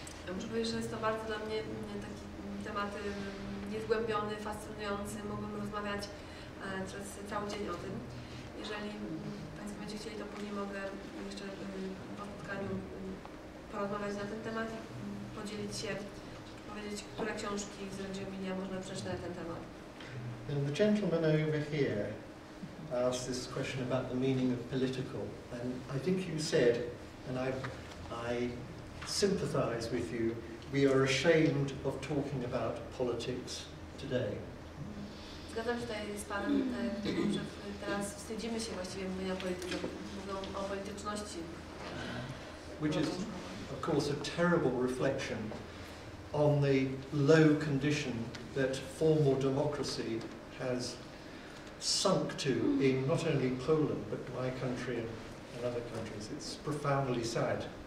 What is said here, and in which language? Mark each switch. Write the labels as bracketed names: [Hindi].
[Polish] Ja muszę powiedzieć, że jest to bardzo dla mnie taki temat niezgłębiony, fascynujący. Mogłabym rozmawiać przez cały dzień o tym. Jeżeli Państwo będziecie chcieli, to później mogę jeszcze po spotkaniu porozmawiać na ten temat i podzielić się, powiedzieć, które książki z Reggio Emilia można przeczytać na ten temat. [English] And the gentleman over here asked this question about the meaning of political, and I think you said, and I sympathize with you, we are ashamed of talking about politics today. [Polish] Zgadzam się tutaj z panem, że teraz wstydzimy się właściwie mówienia o polityce, mówią o polityczności. [English] Which is, of course, a terrible reflection on the low condition that formal democracy has sunk to in not only Poland, but my country and other countries. It's profoundly sad.